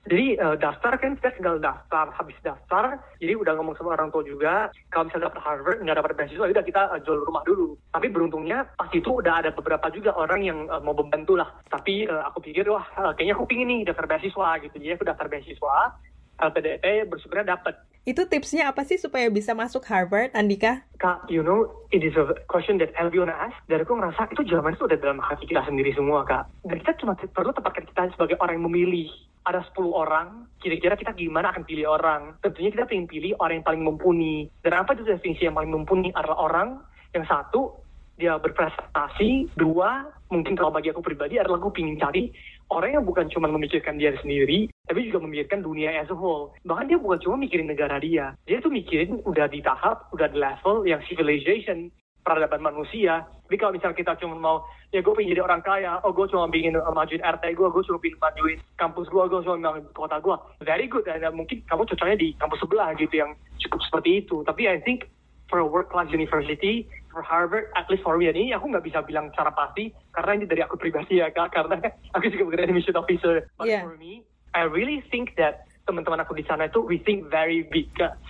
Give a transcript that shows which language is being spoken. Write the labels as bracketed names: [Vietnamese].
[Indonesian] Jadi daftar kan kita tinggal daftar, habis daftar, jadi udah ngomong sama orang tua juga, kalau misalnya daftar Harvard nggak dapat beasiswa, udah kita jual rumah dulu. Tapi beruntungnya pas itu udah ada beberapa juga orang yang mau membantu lah. Tapi aku pikir, wah kayaknya aku pingin nih daftar beasiswa gitu. Jadi aku daftar beasiswa, LPDP bersyukurnya dapat. Itu tipsnya apa sih supaya bisa masuk Harvard, Andika? [English] Kak, you know, it is a question that everyone asks. [Indonesian] Dan aku ngerasa itu jawabannya itu udah dalam hati kita sendiri semua, Kak. Dan kita cuma perlu tempatkan kita sebagai orang yang memilih. Ada 10 orang, kira-kira kita gimana akan pilih orang. Tentunya kita ingin pilih orang yang paling mumpuni. Dan apa itu definisi yang paling mumpuni adalah orang yang satu, dia berprestasi. Dua, mungkin kalau bagi aku pribadi adalah aku ingin cari orang yang bukan cuma memikirkan dia sendiri, tapi juga memikirkan dunia [English] as a whole. [Indonesian] Bahkan dia bukan cuma mikirin negara dia. Dia tuh mikirin udah di tahap, udah di level yang civilization, peradaban manusia. Tapi kalau misalnya kita cuma mau, ya gue pengen jadi orang kaya, oh gue cuma pengen majuin RT gue cuma pengen majuin kampus gue cuma pengen kota gue. [English] Very good, [Indonesian] dan mungkin kamu cocoknya di kampus sebelah gitu yang cukup seperti itu. Tapi [English] I think for a world-class university, for Harvard, at least for me, [Indonesian] ini aku nggak bisa bilang secara pasti, karena ini dari aku pribadi ya, Kak, karena aku juga bukan admission officer. [English] But for me, I really think that [Indonesian] teman-teman aku di sana itu, [English] we think very big, Kak.